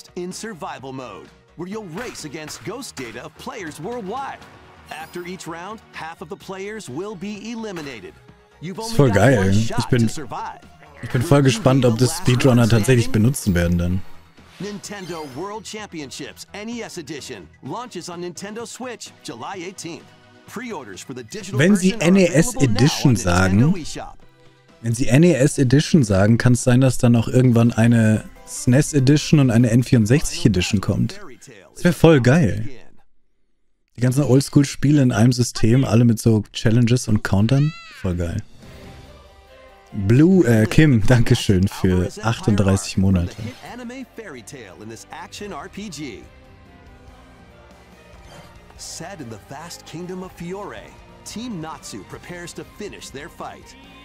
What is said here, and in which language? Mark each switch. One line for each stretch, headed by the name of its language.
English: Survival Mode, where you'll race against ghost data of players worldwide. After each round, half of the players will be eliminated. You've only got one shot to survive.
German: Ich bin voll gespannt, ob das Speedrunner tatsächlich benutzen werden dann.
English: Nintendo World Championships NES Edition launches on Nintendo Switch July 18th. Pre-orders for the digital version are available now on Nintendo eShop.
German: Wenn sie NES Edition sagen, kann es sein, dass dann auch irgendwann eine SNES Edition und eine N64 Edition kommt. Das wäre voll geil. Die ganzen Oldschool-Spiele in einem System, alle mit so Challenges und Countern. Voll geil. Kim, danke schön für 38 Monate.
English: Anime Fairy Tale in this action RPG. Set in the vast kingdom of Fiore, Team Natsu prepares to finish their fight.